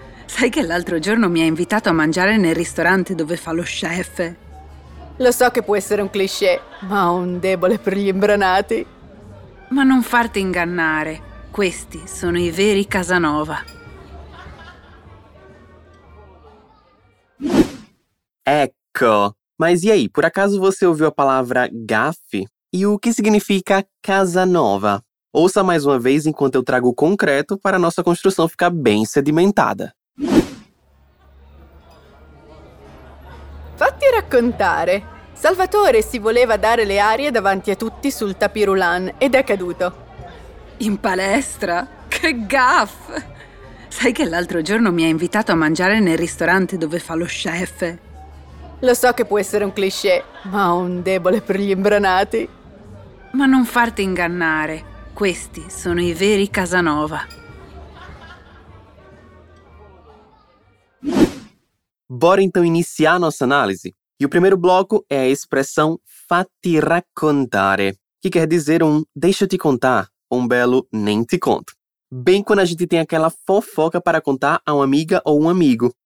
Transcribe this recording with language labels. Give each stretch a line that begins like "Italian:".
Italian: Sai che l'altro giorno mi ha invitato a mangiare nel ristorante dove fa lo chef? Lo so che può essere un cliché, ma ho un debole per gli imbranati. Ma non farti ingannare, questi sono i veri Casanova.
Portuguese: Ecco, mas e aí, por acaso você ouviu a palavra gaffe? E o que significa Casanova? Ouça mais uma vez enquanto eu trago o concreto para a nossa construção ficar bem sedimentada.
Italian: Fatti raccontare. Salvatore si voleva dare le arie davanti a tutti sul tapirulan ed è caduto. In palestra? Che gaffe! Sai che l'altro giorno mi ha invitato a mangiare nel ristorante dove fa lo chef? Lo so che può essere un cliché, ma ho un debole per gli imbranati. Ma non farti ingannare. Questi sono i veri Casanova.
Portuguese: Bora então iniziar nossa análise. E o primeiro bloco é a expressão
Italian: fatti raccontare,
Portuguese: que quer dizer um deixa eu te contar, um belo nem te conto. Bem quando a gente tem aquela fofoca para contar a uma amiga ou um amigo.